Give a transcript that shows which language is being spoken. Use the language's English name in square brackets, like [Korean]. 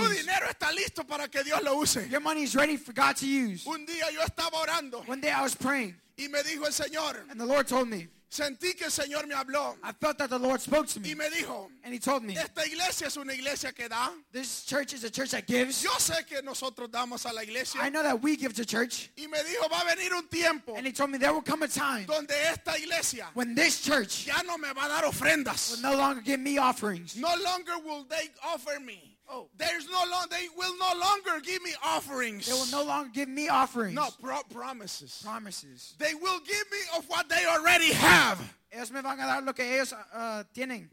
[Spanish] Tu dinero está listo para que Dios lo use. [English] Your money is ready for God to use. [Spanish] Un día yo estaba orando. [English] One day I was praying. [Spanish] Y me dijo el Señor, [English] and the Lord told me. [Spanish] Sentí que el Señor me habló. [English] I felt that the Lord spoke to me. [Spanish] Y me dijo, [English] and he told me. [Spanish] Esta iglesia es una iglesia que da. [English] This church is a church that gives. [Spanish] Yo sé que nosotros damos a la iglesia. [English] I know that we give to church. [Spanish] Y me dijo, va a venir un tiempo. [English] And he told me there will come a time. [Spanish] Donde esta iglesia, [English] when this church, [Spanish] ya no me va a dar ofrendas. [English] Will no longer give me offerings. No longer will they offer me. Oh. They will no longer give me offerings. They will no longer give me offerings. No, promises. Promises. They will give me of what they already have. [Spanish] Ellos me van a dar lo que ellos tienen.